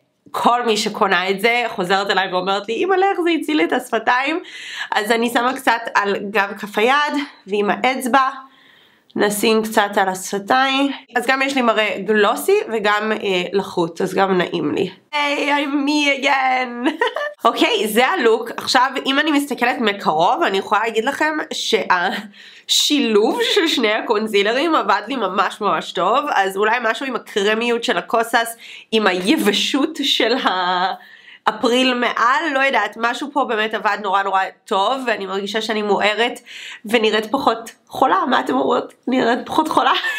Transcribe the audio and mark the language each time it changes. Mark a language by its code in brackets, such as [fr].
[he] כל מי שקונה את זה חוזרת אליי ואומרת לי, אימא לך, זה הציל את השפתיים, אז אני שמה קצת על גב כף היד, ועם האצבע, נשים קצת על השפתיים, אז גם יש לי מראה גלוסי וגם לחוט, אז גם נעים לי. היי, [en] I'm me again. [he] אוקיי, זה הלוק. עכשיו, אם אני מסתכלת מקרוב, אני יכולה להגיד לכם שהשילוב של שני הקונסילרים עבד לי ממש ממש טוב, אז אולי משהו עם הקרמיות של הקוסאס, עם היבשות של ה... אפריל מעל, לא יודעת, משהו פה באמת עבד נורא נורא טוב, ואני מרגישה שאני מוארת ונראית פחות חולה, מה אתם אומרות? נראית פחות חולה?